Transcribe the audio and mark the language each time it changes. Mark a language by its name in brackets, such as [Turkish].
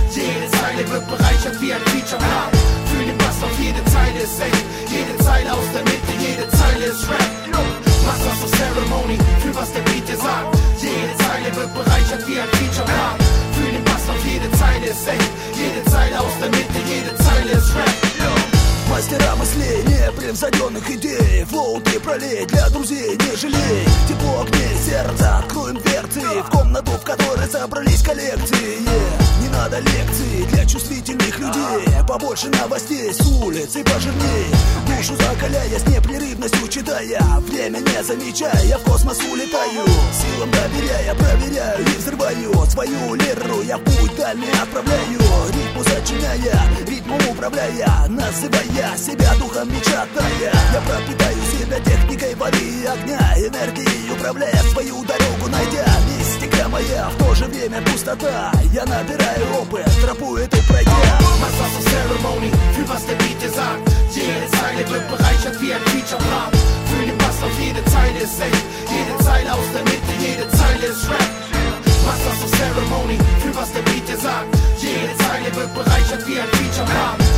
[German] Jede Zeile wird bereichert wie ein Feature-Part. Fühl den Bass auf jede Zeile ist echt. Jede Zeile aus der Mitte, jede Zeile ist Rap. Masters of Ceremony, fühl was der Beat dir sagt. Jede Zeile wird bereichert wie ein Feature-Part. Jede Zeile ist echt, jede Zeile aus der Mitte, jede Zeile ist Rap. [Russian] Мастера мыслей, непревзойденных идей. Волки пролей, для друзей не жалей. Тепло огней, сердца, откроем дверцы. В комнату, в которой собрались коллекции. Не надо лекций для чувствительных людей. Побольше новостей с улицы пожирней. Душу закаляя, с непрерывностью читая. Время не замечая, в космос улетаю. Силам доверяя, проверяю и взрываю. Свою лиру я в путь дальний отправляю. Ритму сочиняя, ритмом управляя, называя я себя духом мечтая. Я пропитаю себя техникой воды и огня, энергией управляя свою дорогу найдя. Мистика моя, в то же время пустота. Я набираю опыт, тропу эту пройдя. [German] Masters of Ceremony, fühl was der Beat dir sagt. Jede Zeile wird bereichert wie ein Feature-Part. Fühl den Bass auf jede Zeile ist echt. Jede Zeile aus der Mitte, jede Zeile ist Rap. Masters of Ceremony, fühl was der Beat dir sagt. Jede Zeile wird bereichert wie ein Feature-Part.